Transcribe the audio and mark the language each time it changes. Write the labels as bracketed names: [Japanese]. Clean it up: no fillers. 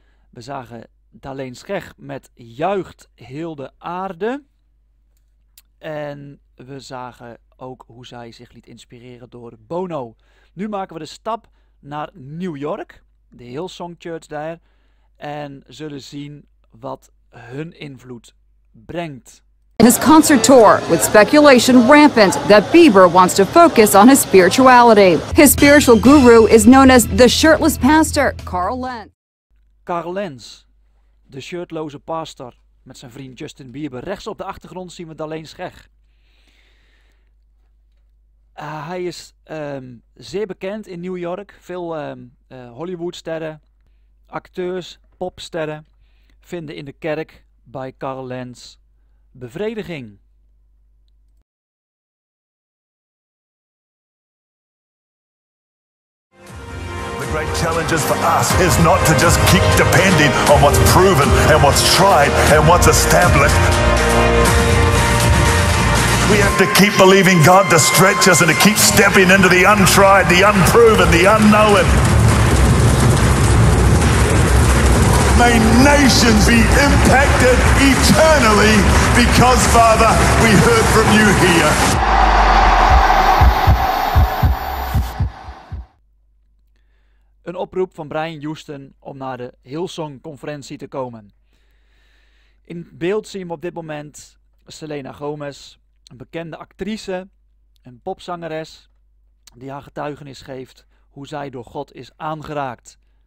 [Dutch] We zagen Daleen Schech met Juicht Heel de Aarde. En we zagen ook hoe zij zich liet inspireren door Bono. Nu maken we de stap naar New York, de Hillsong Church daar, en zullen zien wat hun invloed brengt. [English] In his concert tour, with speculation rampant that Bieber wants to focus on his spirituality. His spiritual guru is known as the shirtless pastor, Carl Lentz. [Dutch] Carl Lentz, de shirtloze pastor met zijn vriend Justin Bieber. Rechts op de achtergrond zien we Daleen Schech. Hij is zeer bekend in New York. Veel Hollywoodsterren, acteurs, popsterren vinden in de kerk bij Carl Lentz bevrediging. [English] The great challenges for us is not to just keep depending on what's proven and what's tried and what's established. We have to keep believing God to stretch us and to keep stepping into the untried, the unproven, the unknown. May nations be impacted eternally because, Father, we heard from you here. [Dutch] Een oproep van Brian Houston om naar de Hillsong-conferentie te komen. In beeld zien we op dit moment Selena Gomez, een bekende actrice, een popzangeres, die haar getuigenis geeft hoe zij door God is aangeraakt.